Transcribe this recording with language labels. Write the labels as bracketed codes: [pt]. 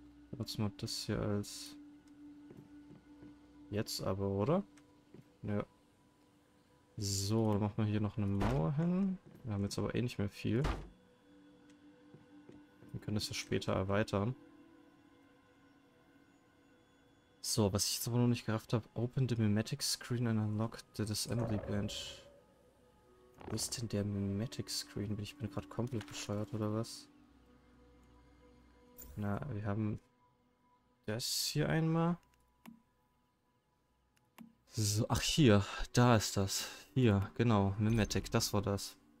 [de] Benutze mal das hier als. Jetzt aber, oder? Ja. So, dann machen wir hier noch eine Mauer hin. Wir haben jetzt aber eh nicht mehr viel. Wir können das ja später erweitern. So, was ich jetzt aber noch nicht gerafft habe. [en] Open the Mimetic Screen and unlock the Assembly Bench. [de] Wo ist denn der Mimetic Screen? Bin ich gerade komplett bescheuert oder was? Na, wir haben das hier einmal. So, ach hier, da ist das. Hier, genau, Mimetic, das war das.